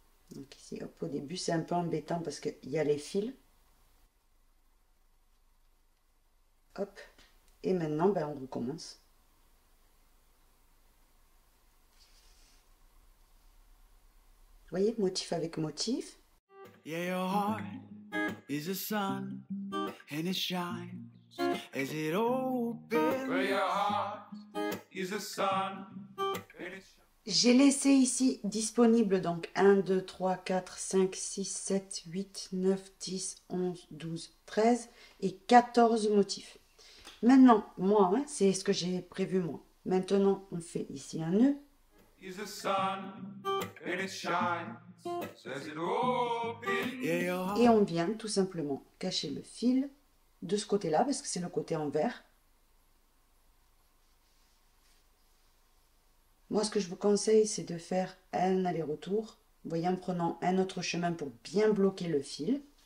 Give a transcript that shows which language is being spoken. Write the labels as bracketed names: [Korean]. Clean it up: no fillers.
[French] Donc ici, hop, au début, c'est un peu embêtant parce qu'il y a les fils. Hop, et maintenant, ben, on recommence. Vous voyez, motif avec motif. [English] Yeah, your heart is a sun and it shines as it opens. Well, your heart is a sun. [French] J'ai laissé ici disponible donc 1, 2, 3, 4, 5, 6, 7, 8, 9, 10, 11, 12, 13 et 14 motifs. Maintenant, moi, hein, c'est ce que j'ai prévu moi. Maintenant, on fait ici un nœud. [English] Is the sun and it shines, says it opens. [French] Et on vient tout simplement cacher le fil de ce côté-là, parce que c'est le côté en vert. Moi, ce que je vous conseille, c'est de faire un aller-retour, vous voyez, en prenant un autre chemin pour bien bloquer le fil.